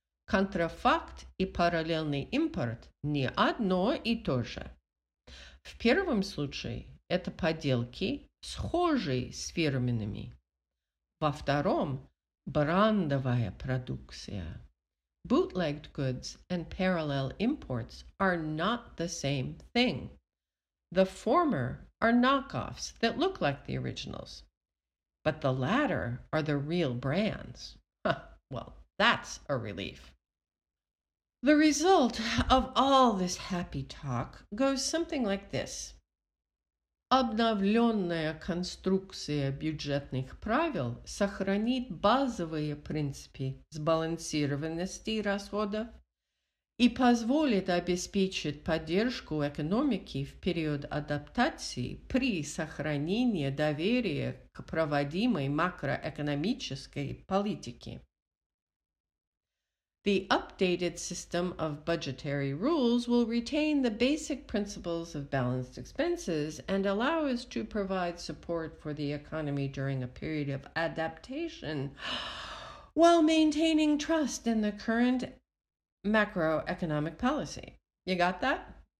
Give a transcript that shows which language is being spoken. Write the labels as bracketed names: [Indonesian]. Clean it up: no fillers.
[Russian] Контрафакт и параллельный импорт не одно и то же. В первом случае это подделки, схожие с фирменными. Во втором – брендовая продукция. [English] Bootlegged goods and parallel imports are not the same thing. The former are knockoffs that look like the originals. But the latter are the real brands. Well, that's a relief. The result of all this happy talk goes something like this. [Russian] Обновленная конструкция бюджетных правил сохранит базовые принципы сбалансированности расходов и позволит обеспечить поддержку экономики в период адаптации при сохранении доверия к проводимой макроэкономической политике. [English] The updated system of budgetary rules will retain the basic principles of balanced expenses and allow us to provide support for the economy during a period of adaptation while maintaining trust in the current macroeconomic policy. You got that?